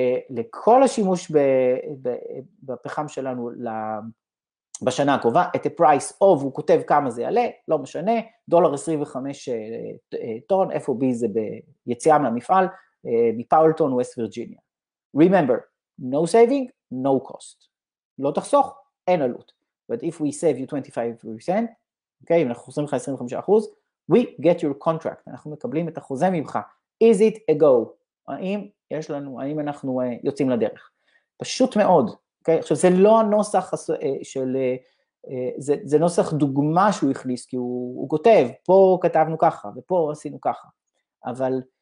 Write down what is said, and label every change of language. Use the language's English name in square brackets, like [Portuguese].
[Hebrew] לכל השימוש בפחם שלנו בשנה הקרובה, את ה-price of, הוא כותב כמה זה יעלה, לא משנה, דולר 25 טון, FOB זה ביציאה מהמפעל, מפאולטון, ווסט וירג'יניה. [English] Remember, no saving, no cost. [Hebrew] לא תחסוך, אין עלות. [English] But if we save you 25%, okay, [Hebrew] אם אנחנו חוסרים לך 25%, [English] we get your contract, [Hebrew] אנחנו מקבלים את החוזה ממך. [English] Is it a go? [Hebrew] האם יש לנו, האם אנחנו יוצאים לדרך? פשוט מאוד. Okay, עכשיו זה לא הנוסח של, זה נוסח דוגמה שהוא הכניס, כי הוא כותב, פה כתבנו ככה, ופה עשינו ככה, אבל